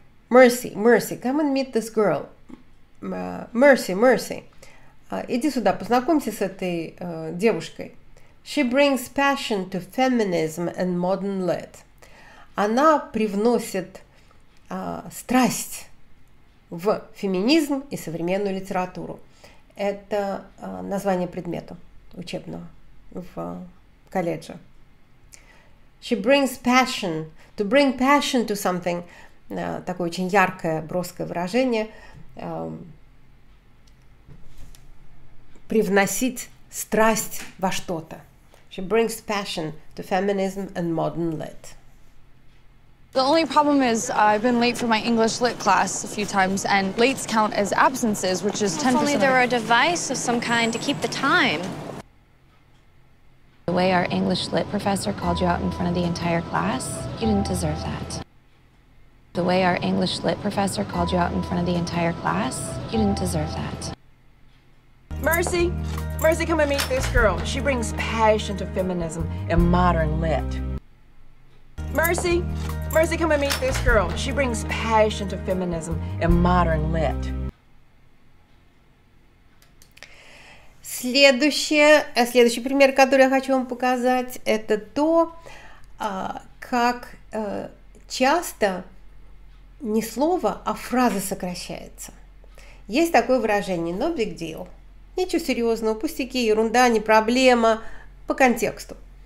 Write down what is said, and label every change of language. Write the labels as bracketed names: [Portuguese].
[English] Mercy, mercy, come and meet this girl. Mercy, mercy. [Russian] Иди сюда, познакомься с этой девушкой. [English] She brings passion to feminism and modern lit. [Russian] Она привносит страсть в феминизм и современную литературу. Это название предмета учебного в колледже. [English] She brings passion. To bring passion to something. [Russian] Такое очень яркое, броское выражение. Привносить страсть во что-то. [English] She brings passion to feminism and modern lit. The only problem is I've been late for my English lit class a few times, and lates count as absences, which is 10%. If only there were a device of some kind to keep the time. The way our English lit professor called you out in front of the entire class, you didn't deserve that. The way our English lit professor called you out in front of the entire class, you didn't deserve that. Mercy, Mercy, come and meet this girl. She brings passion to feminism and modern lit. Mercy, Mercy, come and meet this girl. She brings passion to feminism and modern lit. [Russian] Следующий пример, который я хочу вам показать, это то, как часто не слово, а фраза сокращается. Есть такое выражение [English] «no big deal». [Russian] Ничего серьезного, пустяки, ерунда, не проблема. По контексту.